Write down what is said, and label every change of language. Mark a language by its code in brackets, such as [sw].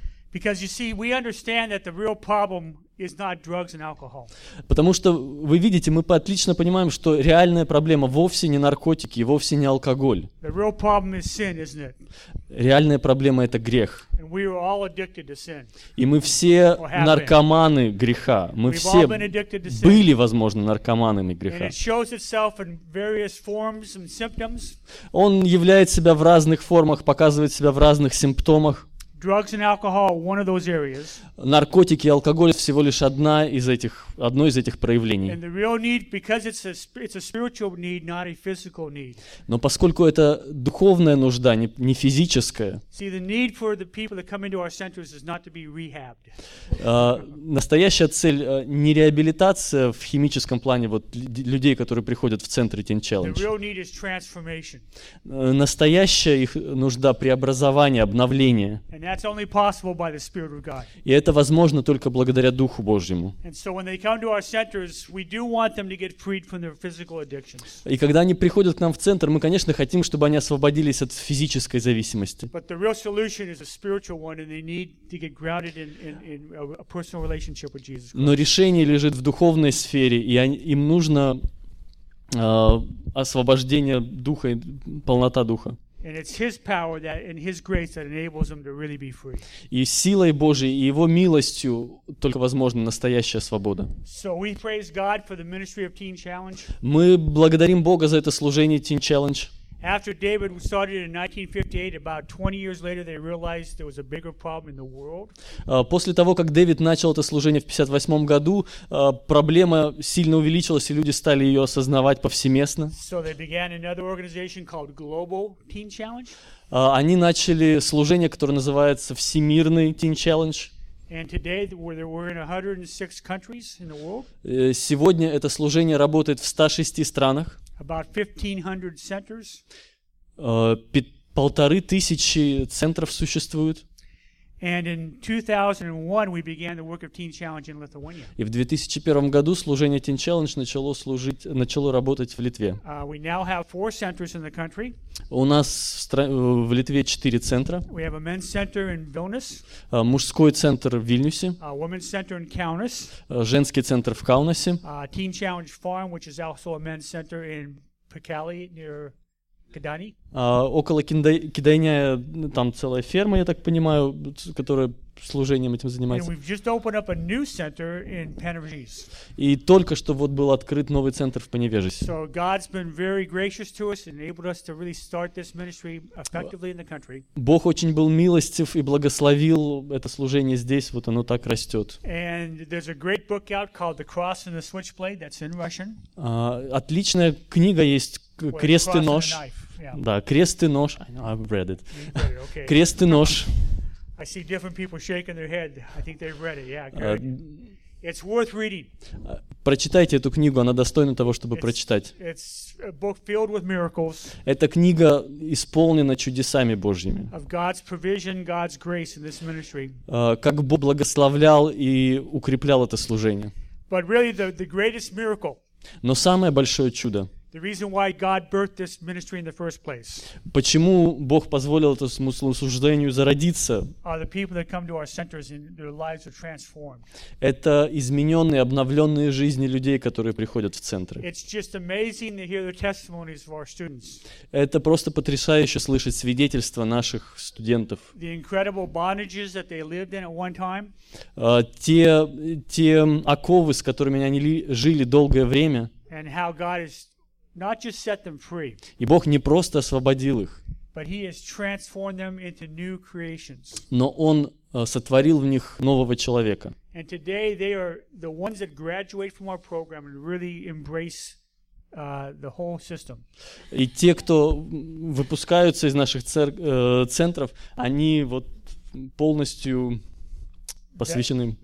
[en] Because you see, we understand that the real problem is not drugs and alcohol. [ru] Потому что вы видите, мы отлично понимаем, что реальная проблема вовсе не наркотики, вовсе не алкоголь. [en] The real problem is sin, isn't it? [ru] Реальная проблема — это грех. [en] And we are all addicted to sin. [ru] И мы все наркоманы греха. Мы все были, возможно, наркоманами греха. [en] And it shows itself in various forms and symptoms. [ru] Он являет себя в разных формах, показывает себя в разных симптомах. [en] Drugs and alcohol are one of those areas. [ru] Наркотики и алкоголь всего лишь одно из этих проявлений. [en] And the real need, because it's a spiritual need, not a physical need. [ru] Но поскольку это духовная нужда, не физическая. [en] See, the need for the people that come into our centers is not to be rehabbed. [ru] Настоящая цель не реабилитация в химическом плане вот людей, которые приходят в центры Teen Challenge. [en] The real need is transformation. [ru] Настоящая их нужда — преобразование, обновление. [en] And that's only possible by the Spirit of God. [ru] И это возможно только благодаря Духу Божьему. [en] And so when they come to our centers, we do want them to get freed from their physical addictions. [ru] И когда они приходят к нам в центр, мы, конечно, хотим, чтобы они освободились от физической зависимости. [en] But the real solution is a spiritual one, and they need to get grounded in a personal relationship with Jesus Christ. [ru] Но решение лежит в духовной сфере, и им нужно освобождение Духа, полнота Духа. [en] And it's His power that, and His grace that enables them to really be free. [ru] И силой Божией и Его милостью только возможна настоящая свобода. [en] So we praise God for the ministry of Teen Challenge. [ru] Мы благодарим Бога за это служение Teen Challenge. [en] After David started in 1958, about 20 years later, they realized there was a bigger problem in the world. [ru] После того, как Дэвид начал это служение в 58 году, проблема сильно увеличилась, и люди стали ее осознавать повсеместно. [en] So they began another organization called Global Teen Challenge. [ru] Они начали служение, которое называется Всемирный Teen Challenge. [en] And today we're in 106 countries in the world. [ru] Сегодня это служение работает в 106 странах. [en] About 1500 centers. [ru] 1500 центров существует. [en] And in 2001 we began the work of Teen Challenge in Lithuania. [ru] И в 2001 году служение Teen Challenge начало работать в Литве. [en] We now have 4 centers in the country. [ru] У нас в Литве 4 центра. [en] We have a men's center in Vilnius. [ru] Мужской центр в Вильнюсе. [en] A women's center in Kaunas. [ru] Женский центр в Каунасе. [en] Teen Challenge Farm, which is also a men's center in Pekali near Kidani. [ru] Около Кидания там целая ферма, я так понимаю, которая служением этим занимается. [en] And we've just opened up a new center in Panevėžys. [ru] И только что вот был открыт новый центр в Panevėžys. [en] So God's been very gracious to us and enabled us to really start this ministry effectively in the country. [ru] Бог очень был милостив и благословил это служение здесь, вот оно так растет. [en] And there's a great book out called The Cross and the Switchblade that's in Russian. [ru] Отличная книга есть. Крест и нож. Да, крест и нож. [en] I've read it. [ru] Крест и нож. [en] I see different people shaking their head. I think they've read it. Yeah, it's worth reading. [ru] Прочитайте эту книгу, она достойна того, чтобы прочитать. [en] It's a book filled with miracles. [ru] Эта книга исполнена чудесами Божьими. [en] Of God's provision, God's grace in this ministry. [ru] Как Бог благословлял и укреплял это служение. [en] But really, the greatest miracle. [ru] Но самое большое чудо. [en] The reason why God birthed this ministry in the first place. [ru] Почему Бог позволил этому служению зародиться? [en] Are the people that come to our centers and their lives are transformed. [ru] Это измененные, обновленные жизни людей, которые приходят в центры. [en] It's just amazing to hear the testimonies of our students. [ru] Это просто потрясающе слышать свидетельства наших студентов. [en] The incredible bondages that they lived in at one time. [ru] Те оковы, с которыми они жили долгое время. [en] And how God is not just set them free. [ru] И Бог не просто освободил их. [en] But he has transformed them into new creations. [ru] Но он сотворил в них нового человека. [en] And today they are the ones that graduate from our program and really embrace the whole system. [ru] И те, кто выпускаются из наших центров, они вот полностью посвящены им.